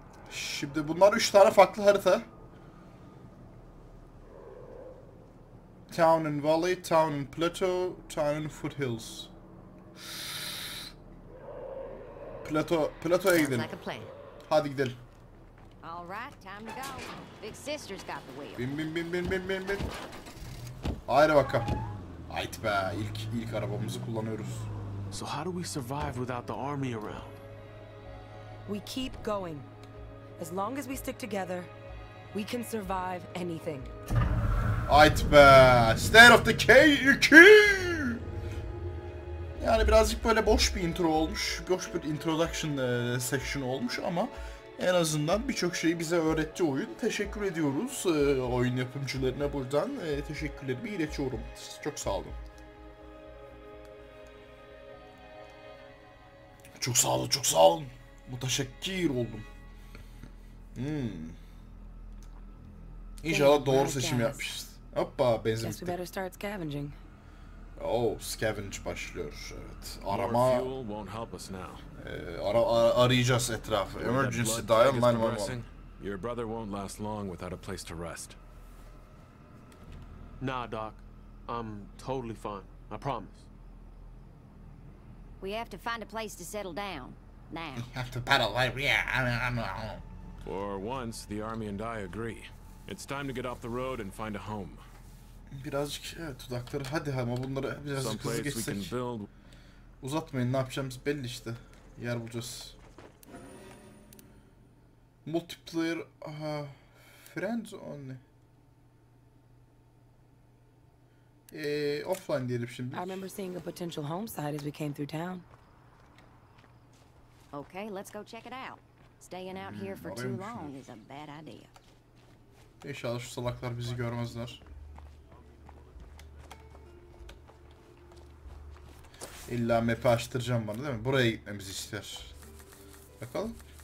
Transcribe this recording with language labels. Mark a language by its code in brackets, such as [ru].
[tr] Şimdi bunlar 3 tane farklı harita. [en] Town and Valley, Town and Plateau, Town and Foothills. [tr] Plateau'ya gidelim. Hadi gidelim. [en] All right, time to go. Big sister's got the wheel. [tr] Bin bin bin bin bin bin bin. Haydi bakalım. Ait be, ilk arabamızı kullanıyoruz. [en] So how do we survive without the army around? We keep going. As long as we stick together, we can survive anything. [tr] Ait be, State of the K2. Yani birazcık böyle boş bir intro olmuş, boş bir introduction section olmuş ama en azından birçok şeyi bize öğretti oyun. Teşekkür ediyoruz oyun yapımcılarına buradan. Teşekkürlerimi iletiyorum. Çok sağ olun. Çok sağ olun, çok sağ olun. Muteşekkir oldum. İnşallah doğru seçim yapmışız. Hoppa, benzin bitti. [en] Guess we better start scavenging. [tr] Oh, scavenge başlıyor. Evet. Arama. Arayacağız etrafı. [en] Emergency dial 911. Your brother won't last long without a place to rest. Nah, doc. I'm totally fine. I promise. We have to find a place to settle down. Now. We have to battle right here. For once, the army and I agree. It's time to get off the road and find a home. [tr] Birazcık dudakları hadi ama bunları birazcık hızlı geçsek. Uzatmayın, ne yapacağımız belli işte. Yer bulacağız. [en] Multiplayer friends only. [tr] Offline diyelim şimdi. [en] I remember seeing a potential home site as we came through town. Okay, let's go check it out. Staying out here for too long is a bad idea. [tr] İnşallah şu salaklar bizi görmezler. İlla map'i açtıracağım bana değil mi? Buraya gitmemizi ister. Bakalım.